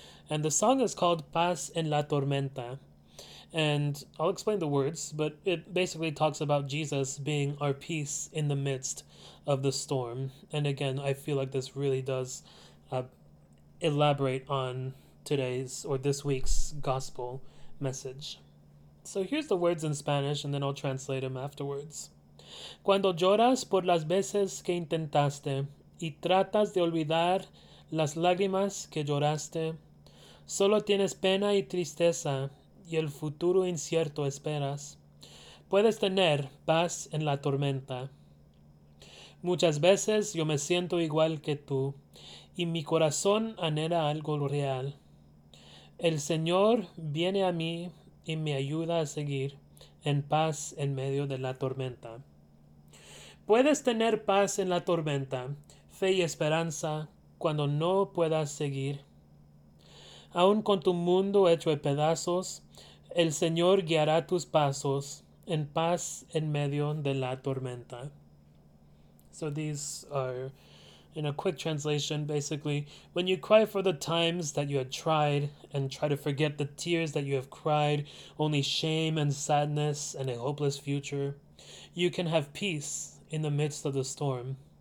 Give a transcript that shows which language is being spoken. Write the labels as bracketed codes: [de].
[en] And the song is called Paz en la Tormenta. And I'll explain the words, but it basically talks about Jesus being our peace in the midst of the storm. And again, I feel like this really does elaborate on today's or this week's gospel message. So here's the words in Spanish, and then I'll translate them afterwards. [es] Cuando lloras por las veces que intentaste y tratas de olvidar las lágrimas que lloraste, solo tienes pena y tristeza. Y el futuro incierto esperas. Puedes tener paz en la tormenta. Muchas veces yo me siento igual que tú, y mi corazón anhela algo real. El Señor viene a mí y me ayuda a seguir en paz en medio de la tormenta. Puedes tener paz en la tormenta, fe y esperanza, cuando no puedas seguir. Aun con tu mundo hecho de pedazos, el Señor guiará tus pasos en paz en medio de la tormenta. [en] So these are, in a quick translation, basically, when you cry for the times that you had tried and try to forget the tears that you have cried, only shame and sadness and a hopeless future, you can have peace in the midst of the storm.